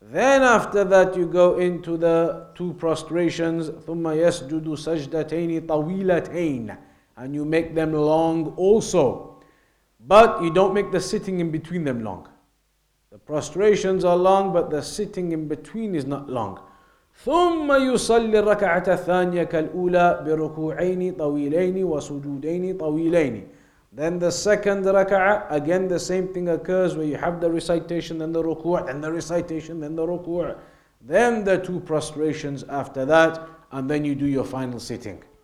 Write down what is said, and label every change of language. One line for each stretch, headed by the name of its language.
English: Then after that you go into the two prostrations,
Arabic: ثُمَّ يَسْجُدُ سَجْدَتَيْنِ طَوِيلَتَيْنَ,
English: and you make them long also. But you don't make the sitting in between them long. The prostrations are long, but the sitting in between is not long.
Arabic: ثم يصلي الركعة الثانية كالأولى بركوعين طويلين وسجودين طويلين.
English: Then the second raka'ah, again the same thing occurs where you have the recitation, then the ruku', then the recitation, then the ruku', then the two prostrations after that, and then you do your final sitting.